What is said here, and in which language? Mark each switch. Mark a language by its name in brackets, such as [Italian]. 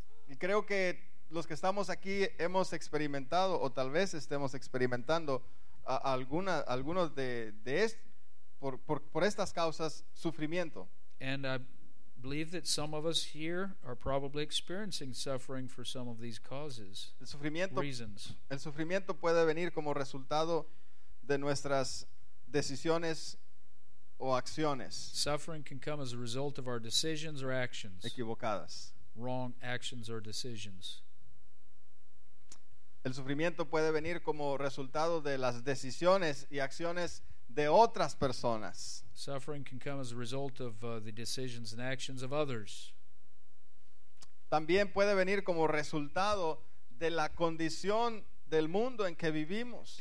[Spanish] Y creo que los que estamos aquí hemos experimentado o tal vez estemos experimentando algunos de estos por estas causas sufrimiento. [English] And I believe that some of us here are probably experiencing suffering for some of these causes. [Spanish] El sufrimiento puede venir como resultado de nuestras decisiones o acciones. [English] Suffering can come as a result of our decisions or actions. [Spanish] Equivocadas. [English] Wrong actions or decisions. [Spanish] El sufrimiento puede venir como resultado de las decisiones y acciones de otras personas. [English] Suffering can come as a result of the decisions and actions of others. [Spanish] También puede venir como resultado de la condición del mundo en que vivimos.